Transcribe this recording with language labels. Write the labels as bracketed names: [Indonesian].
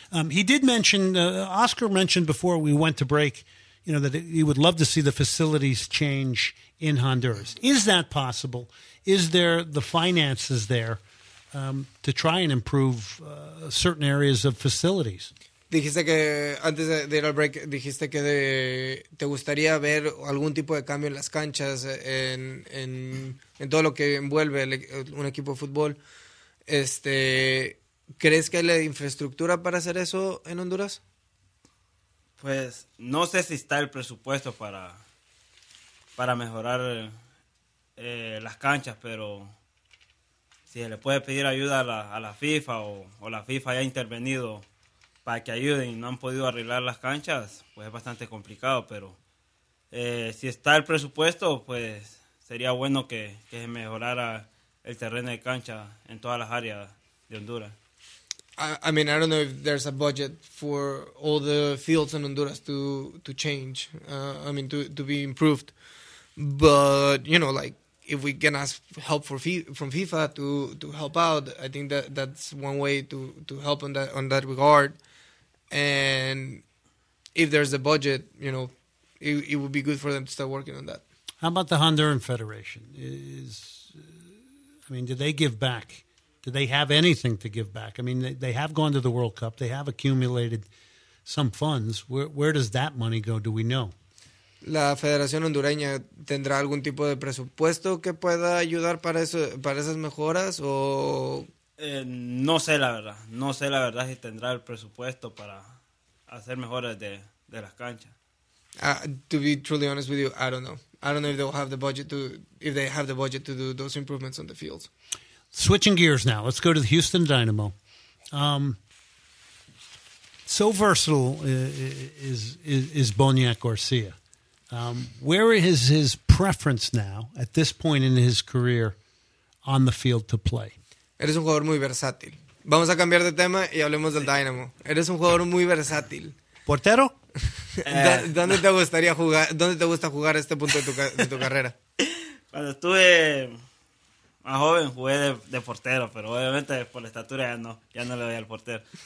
[English] He did mention, Oscar mentioned before we went to break, you know, that he would love to see the facilities change in Honduras. Is that possible? Is there the finances there to try and improve certain areas of facilities? [Spanish] Dijiste que antes de ir al break, dijiste que te gustaría ver algún tipo de cambio en las canchas, en todo lo que envuelve un equipo de fútbol. ¿Crees que hay la infraestructura para hacer eso en Honduras? Pues no sé si está el presupuesto para mejorar las canchas, pero si se le puede pedir ayuda a la FIFA o la FIFA ya ha intervenido para que ayuden y no han podido arreglar las canchas, pues es bastante complicado. Pero si está el presupuesto, pues sería bueno que se mejorara el terreno de cancha en todas las áreas de Honduras. [English] I mean, I don't know if there's a budget for all the fields in Honduras to change, to be improved. But, you know, like, if we can ask help from FIFA to help out, I think that's one way to help on that regard. And if there's a budget, you know, it would be good for them to start working on that. How about the Honduran Federation? Do they give back? Do they have anything to give back? I mean, they have gone to the World Cup. They have accumulated some funds. Where does that money go? Do we know? [Spanish] La Federación Hondureña tendrá algún tipo de presupuesto que pueda ayudar para esas mejoras o no sé la verdad. No sé la verdad si tendrá el presupuesto para hacer mejoras de las canchas. [English] To be truly honest with you, I don't know. I don't know if they'll have the budget to if they have the budget to do those improvements on the fields. Switching gears now, let's go to the Houston Dynamo. So versatile is Boniac Garcia. Where is his preference now at this point in his career on the field to play? [Spanish] Eres un jugador muy versátil. Vamos a cambiar de tema y hablemos del Dynamo. Eres un jugador muy versátil. Portero. ¿Dónde te gustaría jugar? ¿Dónde te gusta jugar a este punto de tu carrera? Cuando estuve más joven jugué de portero, pero obviamente por la estatura ya no le doy al portero.